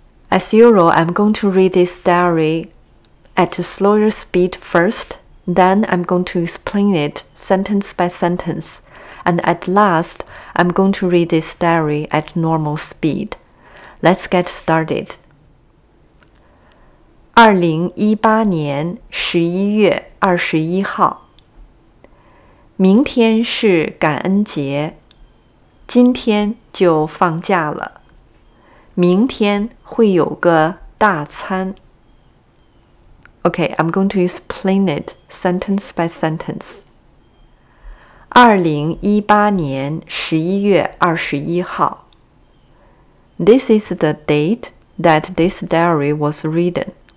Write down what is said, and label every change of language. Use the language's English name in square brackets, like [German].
[English] As usual, I'm going to read this diary at a slower speed first, then I'm going to explain it sentence by sentence, and at last, I'm going to read this diary at normal speed. Let's get started. [Chinese] 2018年11月21号明天是感恩节，今天就放假了。明天会有个大餐。 [English] Okay, I'm going to explain it sentence by sentence. [Chinese] 2018年11月21号。 [English] This is the date that this diary was written.